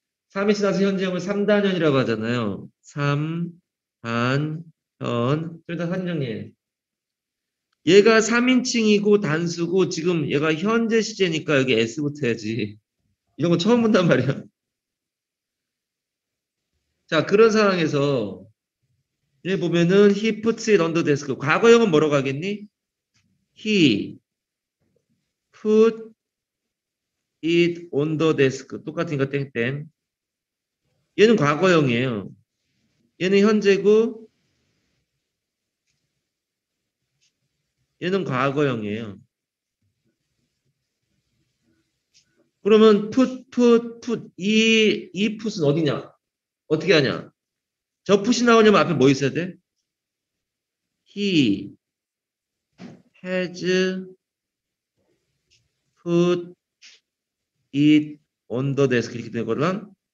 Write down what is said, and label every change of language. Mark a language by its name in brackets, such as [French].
[Korean] 3인칭 단수 현재형을 3단현이라고 하잖아요. 3, 단, 현, 둘다 3인칭이에요. 얘가 3인칭이고 단수고 지금 얘가 현재 시제니까 여기 S부터 해야지. 이런 거 처음 본단 말이야. 자, 그런 상황에서 얘 보면은 [English] he puts it on the desk. [Korean] 과거형은 뭐라고 하겠니? [English] he put it on the desk. [Korean] 똑같으니까 땡땡. 얘는 과거형이에요. 얘는 현재고 얘는 과거형이에요. 그러면 이 풋은 어디냐? 어떻게 하냐? 저 풋이 나오냐면 앞에 뭐 있어야 돼? [English] He has put it on the desk [Korean] 이렇게 되거든.